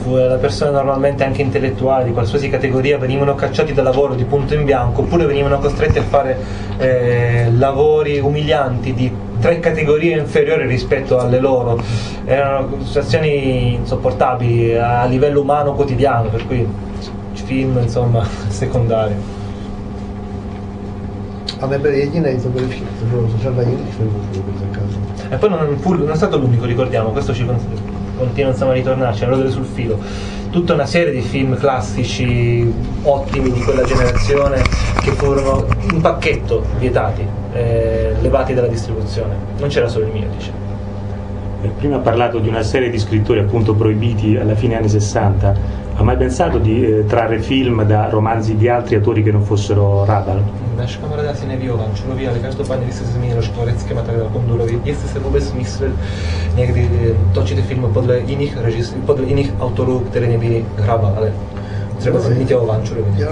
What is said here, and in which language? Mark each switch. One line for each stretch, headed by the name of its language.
Italian: La persona normalmente anche intellettuali di qualsiasi categoria venivano cacciati dal lavoro di punto in bianco oppure venivano costretti a fare lavori umilianti di tre categorie inferiori rispetto alle loro. Erano situazioni insopportabili a livello umano quotidiano, per cui film insomma secondario.
Czech: A nebyl jediný, to bylo řada jiných filmů, které byly zakázané.
Italian: A poi non è stato l'unico, ricordiamo, questo ci continua insomma a ritornarci, All'odore sul filo. Tutta una serie di film classici, ottimi di quella generazione, che furono in pacchetto vietati, levati dalla distribuzione. Non c'era solo il mio, diciamo. Prima ha parlato di una serie di scrittori appunto proibiti alla fine anni 60. Ha mai pensato di trarre film da romanzi di altri autori che non fossero Radal?
Czech: Náš kamarád asi neví o Lančurovi, ale každopádně, když jste se zmínil o Škvoreckém a tak dále, Kondurovi, jestli se vůbec myslel někdy točit filmy podle jiných autorů, které nebyly Hrabal, ale třeba se zmínil o Lančurovi.